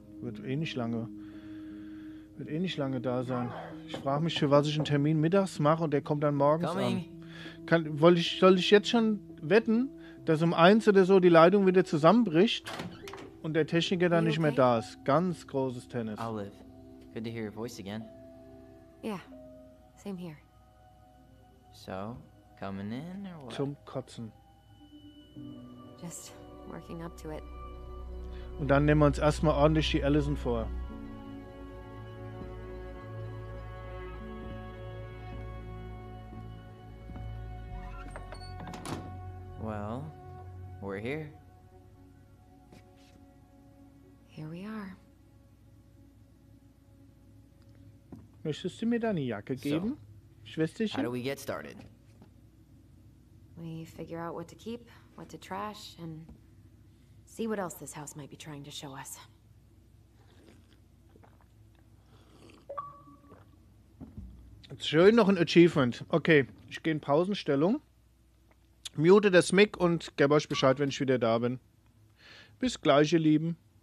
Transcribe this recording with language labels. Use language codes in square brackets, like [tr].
[de] Wird eh nicht lange da sein. Ich frage mich, für was ich einen Termin mittags mache und der kommt dann morgens an. Soll ich jetzt schon wetten, dass um eins oder so die Leitung wieder zusammenbricht und der Techniker dann nicht mehr da ist? Ganz großes Tennis. [en] Olive, good to hear your voice again. Yeah, same here. So, coming in or what? [de] Zum Kotzen. [en] Just working up to it. [de] Und dann nehmen wir uns erstmal ordentlich die Allison vor. [en] Well, we're here. Here we are. [de] Möchtest du mir deine Jacke geben, so, Schwesterchen? [en] How do we get started? We figure out what to keep, what to trash, and see what else this house might be trying to show us. [de] It's schön, noch ein Achievement. Okay, ich gehe in Pausenstellung. Mute das Mic und gebe euch Bescheid, wenn ich wieder da bin. Bis gleich, ihr Lieben.